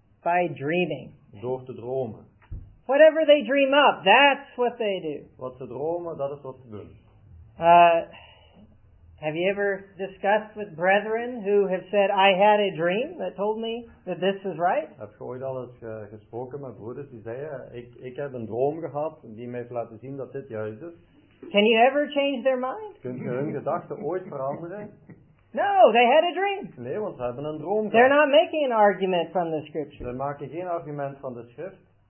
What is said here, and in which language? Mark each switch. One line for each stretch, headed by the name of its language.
English: By dreaming.
Dutch: Door te dromen.
English: Whatever they dream up, that's what they do.
Dutch: Wat ze dromen, dat is wat ze doen.
English: Have you ever discussed with brethren who have said, I had a dream that told me that this is right?
Dutch: Heb je ooit al eens gesproken met broeders die zeiden, ik heb een droom gehad die mij heeft laten zien dat dit juist is?
English: Can you ever change their mind?
Dutch: Kun je hun gedachten ooit veranderen?
English: No, they had a dream.
Dutch: Nee, want ze hebben een droom gehad.
English: They're not making an argument from the scripture.
Dutch: Ze maken geen argument van de schrift.